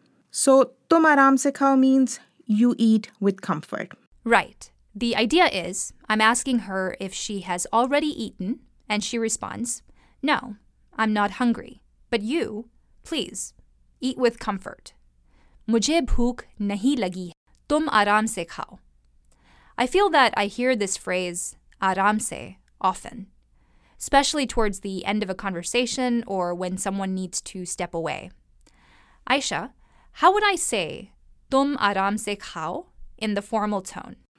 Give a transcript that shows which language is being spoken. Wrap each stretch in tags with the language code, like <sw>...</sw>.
<en>So</en> <ur>tum aaram se khao</ur> <en>means you eat with comfort. Right. The idea is, I'm asking her if she has already eaten, and she responds, no, I'm not hungry, but you, please, eat with comfort.</en> <ur>مجھے بھوک نہیں لگی، تم آرام سے کھاؤ۔</ur> <en>I feel that I hear this phrase, aaram se, often, especially towards the end of a conversation or when someone needs to step away. Aisha, how would I say</en> <ur>tum aaram se khao</ur> <en>in the formal tone?</en>